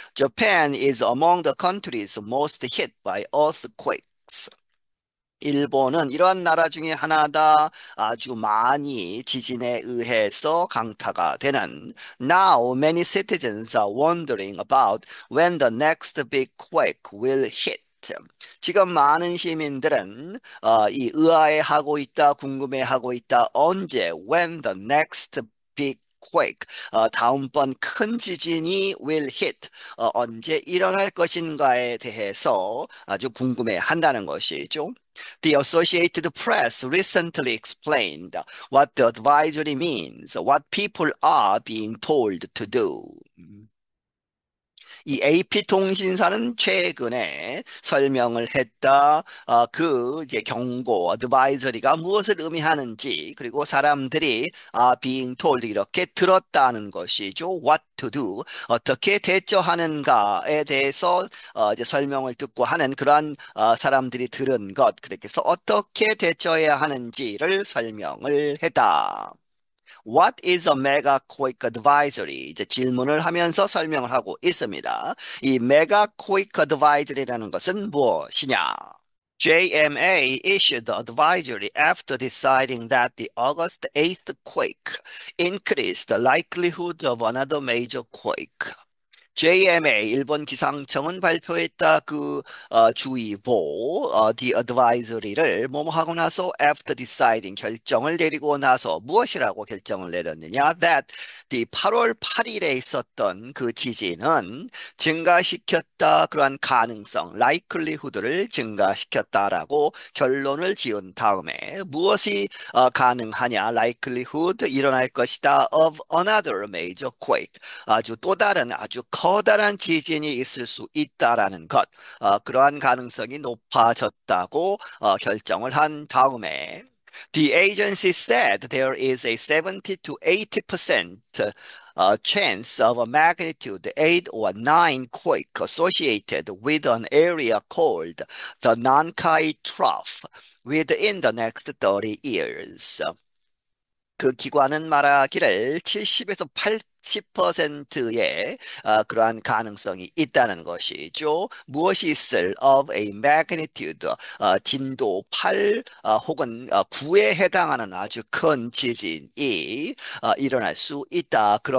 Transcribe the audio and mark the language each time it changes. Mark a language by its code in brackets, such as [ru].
[en] Japan is among the countries most hit by earthquakes. [ko] 일본은 이러한 나라 중에 하나다. 아주 많이 지진에 의해서 강타가 되는. [en] Now many citizens are wondering about when the next big quake will hit. [ko] 지금 많은 시민들은 이 의아해하고 있다, 궁금해하고 있다. 언제? [en] When the next big quake [ko] 다음번 큰 지진이 [en] will hit [ko] 언제 일어날 것인가에 대해서 아주 궁금해한다는 것이죠. [en] The Associated Press recently explained what the advisory means, what people are being told to do. [ko] 이 AP 통신사는 최근에 설명을 했다. 그 이제 경고, 어드바이저리가 무엇을 의미하는지, 그리고 사람들이 [en] being told [ko] 이렇게 들었다는 것이죠. [en] What to do, [ko] 어떻게 대처하는가에 대해서 이제 설명을 듣고 하는 그러한 사람들이 들은 것, 그렇게 해서 어떻게 대처해야 하는지를 설명을 했다. [en] What is a mega quake advisory? [ko] 이제 질문을 하면서 설명을 하고 있습니다. 이 mega quake advisory라는 것은 무엇이냐? [en] JMA issued the advisory after deciding that the August 8th quake increased the likelihood of another major quake. [ko] JMA, 일본 기상청은 발표했다. 그 주의보, the advisory를 뭐뭐 하고 나서 [en] after deciding, [ko] 결정을 내리고 나서 무엇이라고 결정을 내렸느냐? [en] That the [ko] 8월 8일에 있었던 그 지진은 증가시켰다. 그러한 가능성, likelihood를 증가시켰다라고 결론을 지은 다음에 무엇이 가능하냐? likelihood 일어날 것이다. [en] of another major quake. [ko] 아주 또 다른 아주 커다란 지진이 있을 수 있다라는 것, 그러한 가능성이 높아졌다고 결정을 한 다음에 [en] The agency said there is a 70 to 80% chance of a magnitude 8 or 9 quake associated with an area called the Nankai Trough within the next 30 years. [ko] 그 기관은 말하기를 70에서 80%의 그러한 가능성이 있다는 것이죠. 무엇이 있을 [en] of a magnitude [ko] 진도 8 혹은 9에 해당하는 아주 큰 지진이 일어날 수 있다.